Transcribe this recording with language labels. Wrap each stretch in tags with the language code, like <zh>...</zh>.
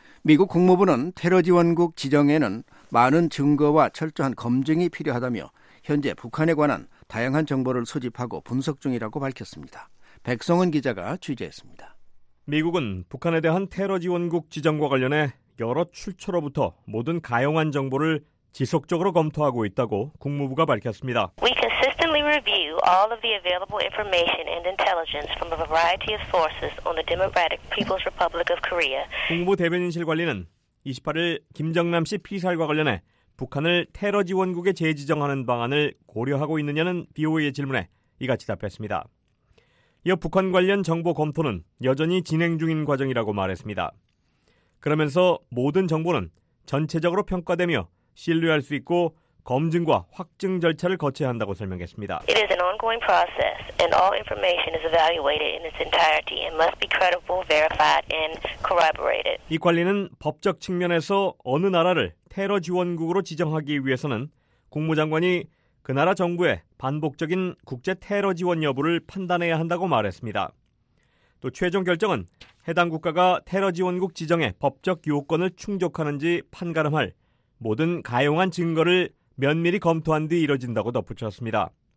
<ko>미국 국무부는 테러 지원국 지정에는 많은 증거와 철저한 검증이 필요하다며 현재 북한에 관한 다양한 정보를 수집하고 분석 중이라고 밝혔습니다. 백성은 기자가 취재했습니다. 미국은 북한에 대한 테러 지원국 지정과 관련해 여러 출처로부터 모든 가용한 정보를 지속적으로 검토하고 있다고 국무부가 밝혔습니다.</ko> <en>We consistently review all of the available information and intelligence from a variety of sources on the Democratic People's Republic of Korea.</en> <ko>국무부 대변인실 관리는 28일 김정남 씨 피살과 관련해 북한을 테러 지원국에 재지정하는 방안을 고려하고 있느냐는 BOA의 질문에 이같이 답했습니다. 이어 북한 관련 정보 검토는 여전히 진행 중인 과정이라고 말했습니다. 그러면서 모든 정보는 전체적으로 평가되며 신뢰할 수 있고 검증과 확증 절차를 거쳐야 한다고 설명했습니다.</ko> <en>It is an ongoing process and all information is evaluated in its entirety and must be credible, verified and corroborated.</en> <ko>이 관리는 법적 측면에서 어느 나라를 테러 지원국으로 지정하기 위해서는 국무장관이 그 나라 정부의 반복적인 국제 테러 지원 여부를 판단해야 한다고 말했습니다. 또 최종 결정은 해당 국가가 테러 지원국 지정의 법적 요건을 충족하는지 판가름할 모든 가용한 증거를 면밀히 검토한 뒤 이뤄진다고 덧붙였습니다.</ko>